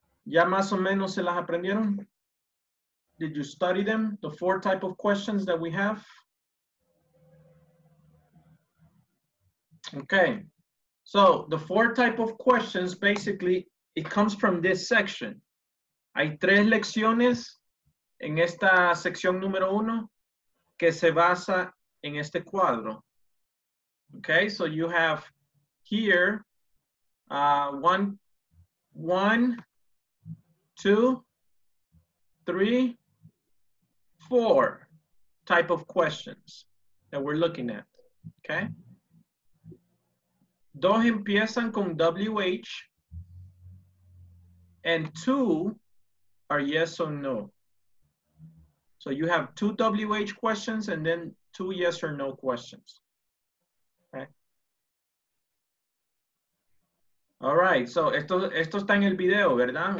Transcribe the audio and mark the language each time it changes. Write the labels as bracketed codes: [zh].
[es] ¿Ya más o menos se las aprendieron? [en] Did you study them? The 4 type of questions that we have? Okay. So the 4 type of questions, basically, it comes from this section. [es] Hay 3 lecciones en esta sección número 1 que se basa en este cuadro. [en] Okay, so you have here 1, 2, 3, 4 type of questions that we're looking at, okay? 2 [es] empiezan con [en] WH and 2 are yes or no. So you have 2 WH questions and then 2 yes or no questions, okay? All right, so [es] esto está en el video, ¿verdad?